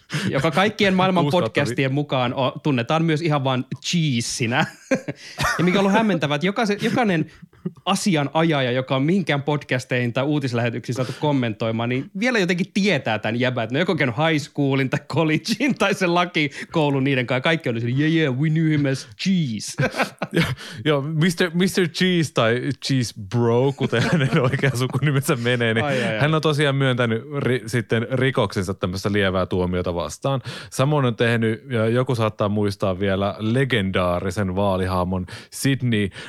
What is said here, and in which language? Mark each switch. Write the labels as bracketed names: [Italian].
[Finnish] Joka kaikkien maailman podcastien mukaan tunnetaan myös ihan vain cheesinä. Ja mikä on ollut hämmentävä, että jokainen asianajaja, joka on minkään podcasteihin tai uutislähetyksiin saatu kommentoimaan, niin vielä jotenkin tietää tämän jäbän, että ne on joko käynyt high schoolin tai collegein tai sen lakikoulun niiden kanssa. Kaikki on sillä, [English] yeah, yeah, we knew him as cheese. [Finnish] Joo, Mr. Cheese tai Cheese Bro, kuten hänen oikean sukunimensä menee, niin hän on tosiaan myöntänyt sitten rikoksensa tämmöistä lievää tuomiota vastaan. Samoin on tehnyt, ja joku saattaa muistaa vielä, legendaarisen vaalihaamon Sydney,